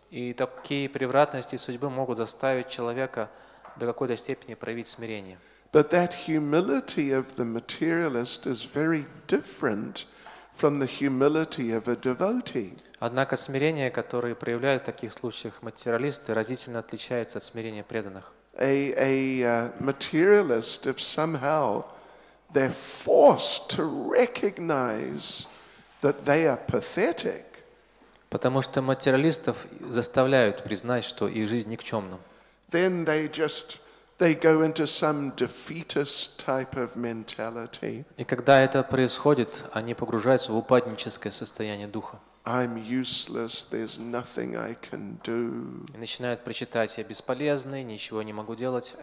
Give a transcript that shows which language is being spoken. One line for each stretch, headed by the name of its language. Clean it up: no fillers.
Russian: И такие превратности судьбы могут заставить человека до какой-то степени проявить смирение.
English: But that humility of the materialist is very different from the humility of a devotee.
Russian: Однако смирение, которое проявляют в таких случаях материалисты, разительно отличается от смирения преданных.
English: A materialist, if somehow they're forced to recognize that they are pathetic.
Russian: Потому что материалистов заставляют признать, что их жизнь никчемна.
English: Then they go into some defeatist type of mentality.
Russian: И когда это происходит, они погружаются в упадническое состояние духа.
English: I'm useless, there's nothing I can do.
Russian: И начинают причитать, я бесполезный, ничего не могу делать.